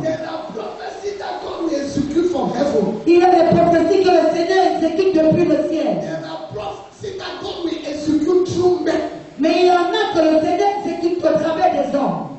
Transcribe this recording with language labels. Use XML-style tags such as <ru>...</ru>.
<en>There are prophecies that God may execute from heaven.</en> <fr>Il y a des prophéties que le Seigneur exécute depuis le ciel.</fr> <en>There are prophecies that God may execute through men.</en> <fr>Mais il y en a que le Seigneur exécute au travers des hommes.</fr>